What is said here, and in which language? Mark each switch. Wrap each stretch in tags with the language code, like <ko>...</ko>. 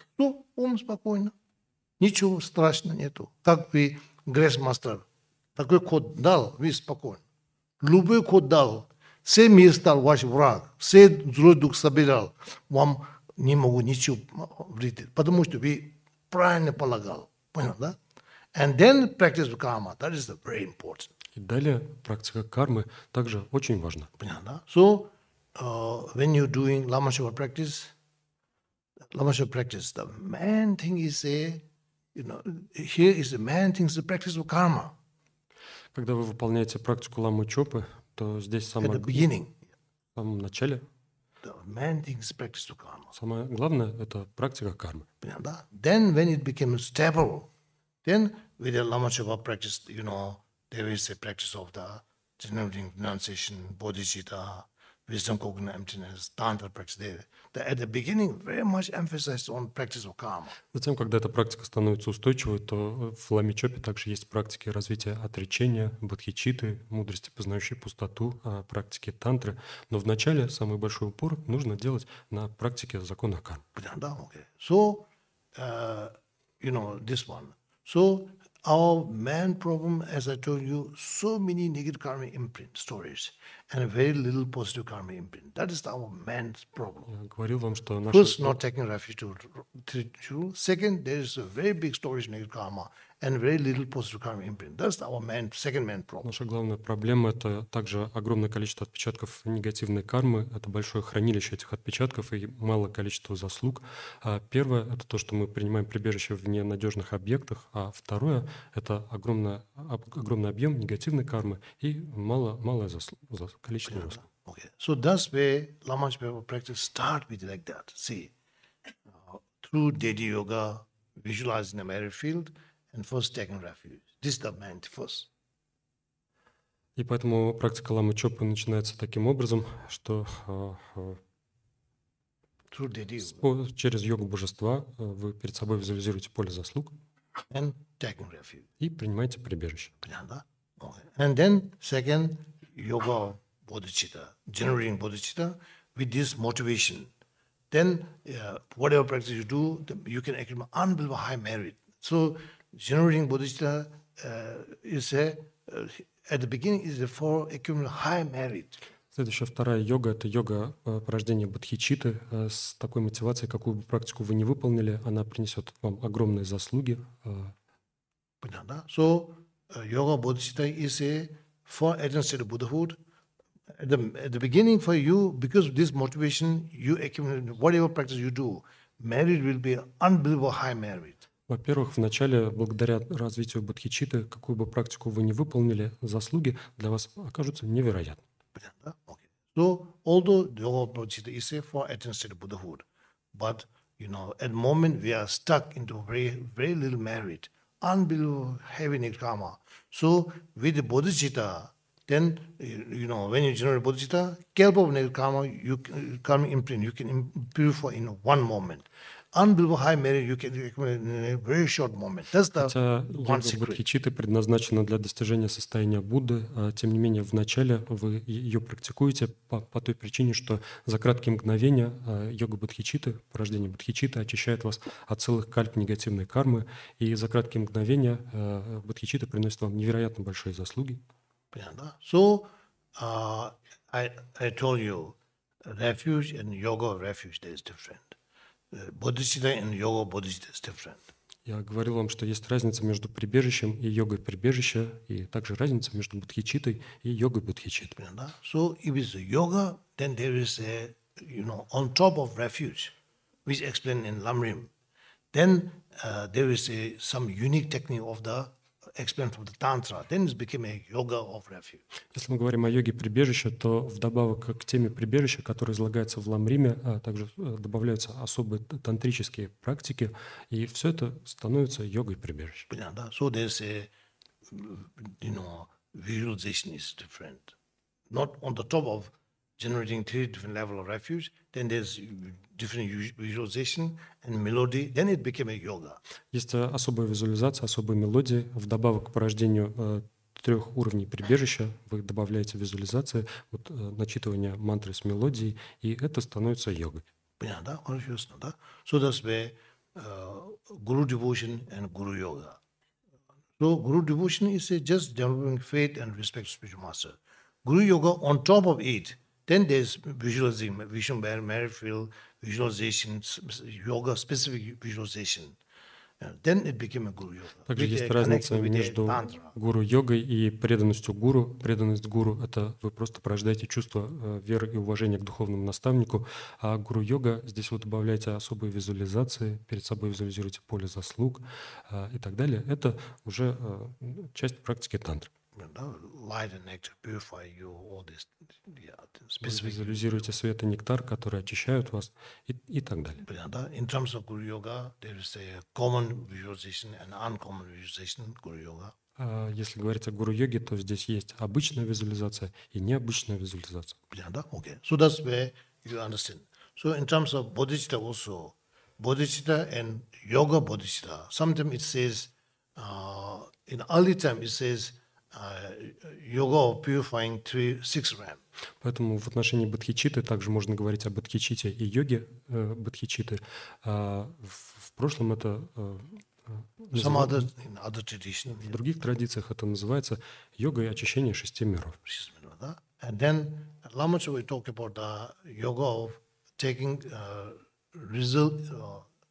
<ru>Ну, ум спокойно. Ничего страшного нету. Как вы, Грейс-мастер, такой код дал, вы спокойны. Любой код дал, все мир стал ваш враг, все злой дух собирал, вам не могу ничего вредить, потому что вы правильно полагал. Понял, да?</ru> <en>And then practice karma, that is very important.</en> <ru>И далее практика кармы также очень важна. Понял, да?</ru> <en>So, when you're doing Lama Shiva practice, the main thing is a you know, here is the main thing, the practice of karma.</en> <ru>Когда вы выполняете практику ламы чопы, то здесь самое...</ru> <en>At the beginning.</en> <ru>В самом начале.</ru> <en>The main thing is practice of karma.</en> <ru>Самое главное – это практика кармы. Понятно, да?</ru> <en>Then when it became stable, then with the lama chopa practice, you know, there is a practice of the generating renunciation, bodhicitta, wisdom, cognitive emptiness, tantra practice there. At the beginning, very much emphasized on practice of karma.</en> <ru>Затем, когда эта практика становится устойчивой, то в Лама Чопе также есть практики развития отречения, бодхичитты, мудрости, познающей пустоту, практики тантры. Но вначале самый большой упор нужно делать на практике закона кармы. Да,</ru> <en>okay. So, you know, this one. So, our main problem, as I told you, so many negative karma imprint stories and very little positive karma imprint. That is our main problem.</en> <ru>Я говорил вам, что наша...</ru> <en>First, not taking refuge to true. Second, there is a very big storage negative karma and very little positive karma imprint. That's our main, second main problem.</en> <ru>Наша главная проблема – это также огромное количество отпечатков негативной кармы. Это большое хранилище этих отпечатков и малое количество заслуг. Первое – это то, что мы принимаем прибежище в ненадежных объектах. А второе – это огромный объем негативной кармы и малое количество заслуг.</ru> <en>Okay. So that's where Lama Shiva practice start with like that. See, through Deity Yoga, visualizing the merit field, and first taking refuge. This is the main first.</en> <ru>И поэтому практика Лама Чопы начинается таким образом, что через йогу божества вы перед собой визуализируете поле заслуг</ru> <en>and taking refuge.</en> <ru>И принимаете прибежище. Понятно, да? Okay.</ru> <en>And then second, yoga bodhicitta, generating bodhicitta with this motivation. then whatever practice you do, you can accrue unbelievable high merit. So generating bodhicitta is a, at the beginning is for accumulating high merit.</en> <ru>Следующая вторая йога — это йога порождения бодхичитты с такой мотивацией, какую бы практику вы не выполнили, она принесет вам огромные заслуги. Понятно.</ru> <en>So yoga bodhicitta is a for attaining Buddhahood. At the beginning for you, because of this motivation, you accumulate whatever practice you do, merit will be unbelievable high merit.</en> <ru>Во-первых, вначале, благодаря развитию бодхичитты, какую бы практику вы не выполнили, заслуги для вас окажутся невероятными.</ru> <en>Okay. So, although yoga bodhicitta is safe for attaining Buddhahood, but you know, at the moment we are stuck into very, very little merit, unbelievable heavy nirgama. So, with the bodhicitta, then you know, when you generate bodhicitta, kelpa of nirgama, you karma imprint, you can improve for in one moment. Unbelievable high merit you can accumulate in a very short moment. That's the one secret.</en> <ru>Хотя йога бодхичитты предназначена для достижения состояния Будды, тем не менее, вначале вы ее практикуете по той причине, что за краткие мгновения йога бодхичитты, порождение бодхичитты очищает вас от целых кальп негативной кармы, и за краткие мгновения бодхичитты приносит вам невероятно большие заслуги. Понятно.</ru> <en>So, I told you, refuge and yoga refuge, there is different. Bodhicitta and yoga bodhicitta is different.</en> <ru>Я говорил вам, что есть разница между прибежищем и йогой прибежища, и также разница между бодхичиттой и йогой бодхичиттой.</ru> <en>Yeah, so if it's a yoga, then there is a, you know, on top of refuge, which explained in Lamrim, then there is a some unique technique of the explained from the Tantra, then it became a yoga of refuge.</en> <ru>Если мы говорим о йоге прибежища, то вдобавок к теме прибежища, которая излагается в Ламриме, также добавляются особые тантрические практики, и все это становится йогой прибежища. Понятно, да?</ru> <en>So there's a, you know, visualization is different. Not on the top of generating three different level of refuge, then there's different visualization and melody, then it became a yoga.</en> <ru>Есть особая визуализация, особая мелодия. Вдобавок к порождению трех уровней прибежища, вы добавляете визуализацию, вот, начитывание мантры с мелодией, и это становится йогой. Понятно, да? Конечно, да?</ru> <en>So that's where guru devotion and guru yoga. So guru devotion is just developing faith and respect to spiritual master. Guru yoga on top of it, then there's visualizing, vision, merit field, visualization, yoga, specific visualization. Then it became a guru yoga.</en> <ru>Также есть разница между гуру йогой и преданностью гуру. Преданность гуру — это вы просто порождаете чувство веры и уважения к духовному наставнику. А гуру йога — здесь вы добавляете особые визуализации, перед собой визуализируете поле заслуг и так далее. Это уже часть практики тантры.</ru> <en>Light and nectar purify you, all this, yeah, specific.</en> <ru>Вы визуализируете свет и нектар, которые очищают вас, и так далее. Понятно.</ru> <en>In terms of guru yoga, there is a common visualization and uncommon visualization guru yoga.</en> <ru>Если говорить о гуру йоге, то здесь есть обычная визуализация и необычная визуализация. Понятно.</ru> <en>Okay. So that's where you understand. So in terms of bodhicitta also, bodhicitta and yoga bodhicitta. Sometimes it says, in early time it says. Yoga purifying three, six realm.</en> <ru>Поэтому в отношении бодхичитты также можно говорить о бодхичитте и йоге бодхичитты. В прошлом это</ru> <en>some other, in other tradition,</en> <ru>в других традициях это называется йога и очищение шести миров. Да?</ru> <en>And then Lama Chöpa talk about the yoga of taking result.</en>